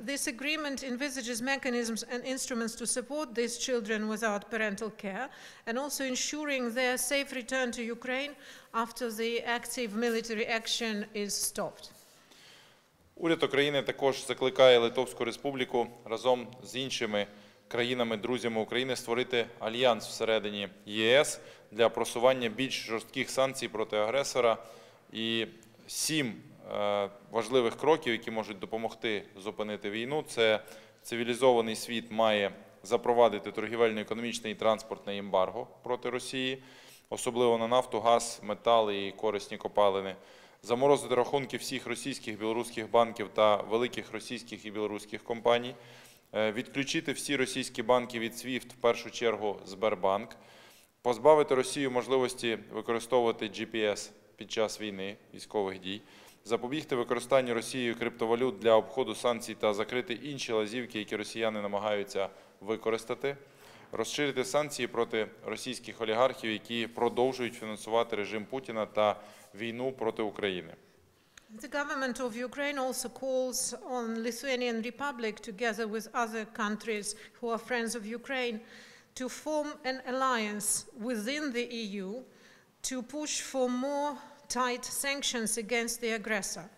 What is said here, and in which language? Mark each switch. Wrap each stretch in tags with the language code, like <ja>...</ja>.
<en>This agreement envisages mechanisms and instruments to support these children without parental care and also ensuring their safe return to Ukraine after the active military action is stopped.</en> <uk>Уряд України також закликає Литовську Республіку разом з іншими країнами-друзями України створити альянс всередині ЄС для просування більш жорстких санкцій проти агресора. І 7 важливих кроків, які можуть допомогти зупинити війну, це цивілізований світ має запровадити торгівельно-економічне і транспортне ембарго проти Росії, особливо на нафту, газ, метали і корисні копалини. Заморозити рахунки всіх російських, білоруських банків та великих російських і білоруських компаній, відключити всі російські банки від SWIFT, в першу чергу Сбербанк, позбавити Росію можливості використовувати GPS під час війни, військових дій, запобігти використанню Росією криптовалют для обходу санкцій та закрити інші лазівки, які росіяни намагаються використати, розширити санкції проти російських олігархів, які продовжують фінансувати режим Путіна та війну проти України.</uk> <en>The government of Ukraine also calls on Lithuanian Republic together with other countries who are friends of Ukraine to form an alliance within the EU to push for more tight sanctions against the aggressor.</en>